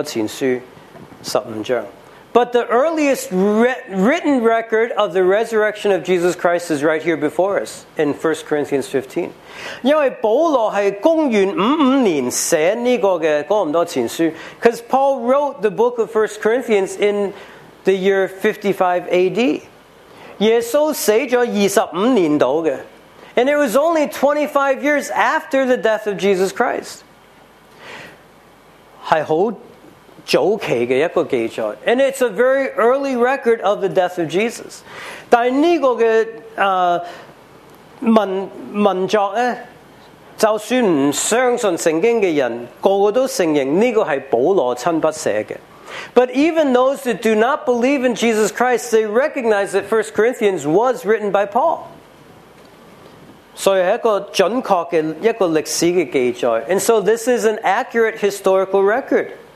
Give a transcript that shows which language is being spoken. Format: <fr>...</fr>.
<zh>最早的记载就是我们眼前那么多前书十五章。</zh> <en>But the earliest written record of the resurrection of Jesus Christ is right here before us in 1 Corinthians 15.</en> <zh>因为保罗是公元55年写这个的那么多前书,</zh> <en>because Paul wrote the book of 1 Corinthians in the year 55 AD.</en> <zh>耶稣死了25年左右的,</zh> <en>And it was only 25 years after the death of Jesus Christ.</en> <zh>是很早期的一个记载,</zh> <en>and it's a very early record of the death of Jesus.</en> <zh>但这个文作呢, 就算不相信圣经的人, 个个都承认这个是保罗亲笔写的。</zh> <en>But even those that do not believe in Jesus Christ, they recognize that 1 Corinthians was written by Paul.</en> <zh>所以是一个准确的一个历史的记载,</zh> <en>and so this is an accurate historical record.</en>